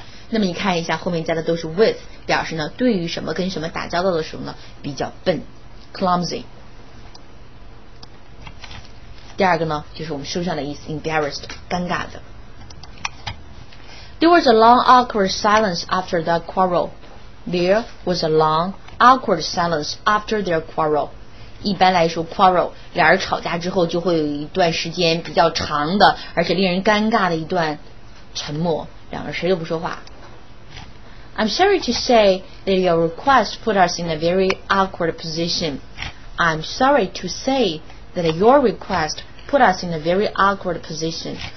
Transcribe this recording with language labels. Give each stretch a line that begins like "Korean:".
Chinese: 那么你看一下后面加的都是 with， 表示呢对于什么跟什么打交道的时候呢比较笨 ，clumsy。第二个呢就是我们书上的意思 ，embarrassed， 尴尬的。
English: There was a long awkward silence after their quarrel. There was a long awkward silence after their quarrel.
Chinese: 一般来说 quarrel， 俩人吵架之后就会有一段时间比较长的而且令人尴尬的一段沉默，两个人谁都不说话。
English: I'm sorry to say that your request put us in a very awkward position. I'm sorry to say that your request put us in a very awkward position.